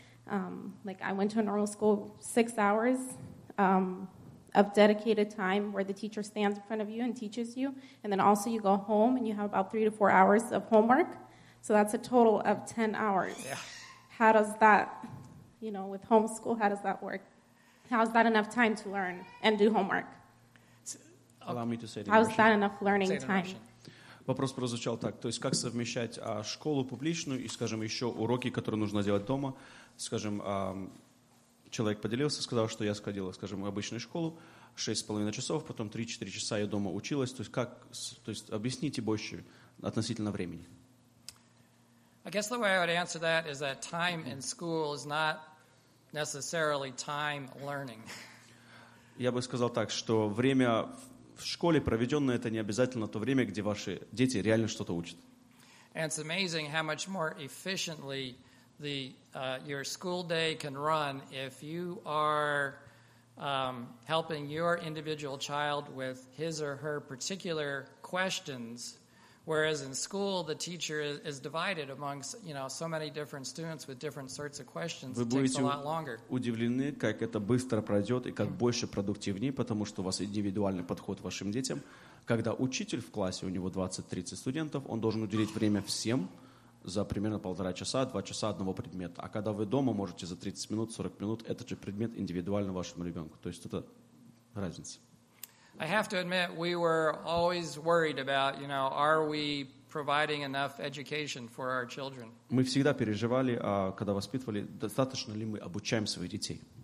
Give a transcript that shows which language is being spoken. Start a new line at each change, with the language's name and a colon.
English: I went to a normal school, 6 hours of dedicated time where the teacher stands in front of you and teaches you, and then also you go home and you have about 3 to 4 hours of homework. So that's a total of 10 hours. Yeah. How does that, with homeschool, how does that work? How's that enough time to learn and do homework? Allow me to say how's that enough learning time?
Russian: Вопрос прозвучал так. То есть как совмещать школу публичную и, скажем, еще уроки, которые нужно делать дома? Скажем, человек поделился, сказал, что я сходил, скажем, в обычную школу, 6,5 часов, потом 3-4 часа я дома училась. То есть как, то есть объясните больше относительно времени.
English: I guess the way I would answer that is that time in school is not necessarily time learning.
Russian: Я бы сказал так, что время в школе, проведенное, это не обязательно то время, где ваши дети реально что-то учат.
English: And it's amazing how much more efficiently your school day can run if you are helping your individual child with his or her particular questions, whereas in school the teacher is divided amongst so many different students with different sorts of questions.
Russian: Вы будете
English: it takes a lot longer.
Russian: Удивлены, как это быстро пройдет и как больше продуктивнее, потому что у вас индивидуальный подход к вашим детям. Когда учитель в классе, у него 20-30 студентов, он должен уделить время всем за примерно 1.5 часа, 2 часа одного предмета. А когда вы дома, можете за 30 минут, 40 минут этот же предмет индивидуально вашему ребенку. То есть это разница.
English: I have to admit, we were always worried about, are we providing enough education for our children?
Russian: Мы всегда переживали, когда воспитывали, достаточно ли мы обучаем своих детей.